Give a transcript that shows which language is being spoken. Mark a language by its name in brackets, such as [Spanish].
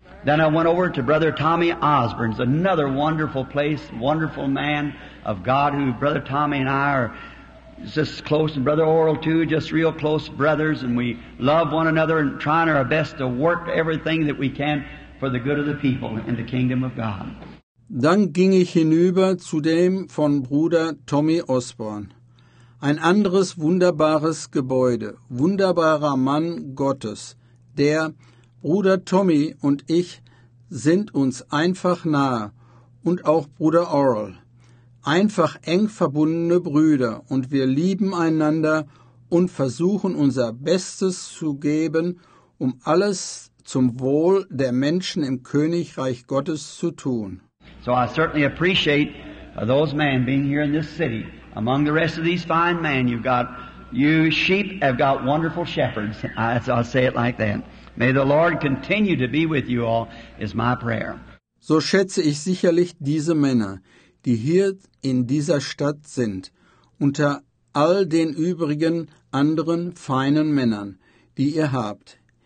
[English] Then I went over to Brother Tommy Osborne's, another wonderful place, wonderful man of God, who Brother Tommy and I are just close, and Brother Oral too, just real close brothers, and we love one another and trying our best to work everything that we can for the good of the people and the kingdom of God. [German] Dann ging ich hinüber zu dem von Bruder Tommy Osborne. Ein anderes wunderbares Gebäude, wunderbarer Mann Gottes, der Bruder Tommy und ich sind uns einfach nahe und auch Bruder Oral. Einfach eng verbundene Brüder und wir lieben einander und versuchen unser Bestes zu geben, um alles zum Wohl der Menschen im Königreich Gottes zu tun. [English] So I certainly appreciate those men being here in this city. Among the rest of these fine men, you've got, you sheep have got wonderful shepherds, as I say it like that. May the Lord continue to be with you all, is my prayer. [German] So schätze ich sicherlich diese Männer, die hier in dieser Stadt sind, unter all den übrigen anderen feinen Männern, die ihr habt.